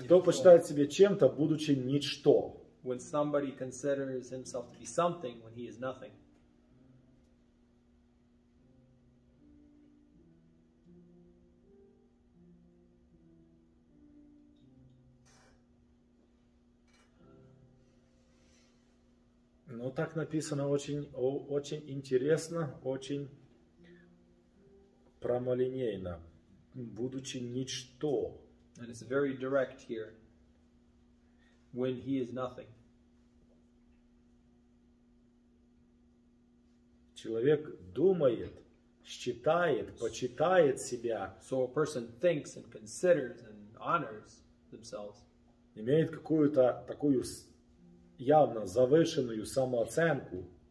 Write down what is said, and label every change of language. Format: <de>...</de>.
<ru>Кто почитает себя чем-то, будучи ничто.</ru> <en>When somebody considers himself to be something when he is nothing.</en> <ru>Ну, так написано очень интересно, очень прямолинейно, будучи ничто.</ru> <en>And it's very direct here. When he is nothing.</en> <ru>Человек думает, считает, почитает себя.</ru> <en>So a person thinks and considers and honors themselves.</en> <ru>Имеет какую-то такую явно завышенную самооценку.</ru>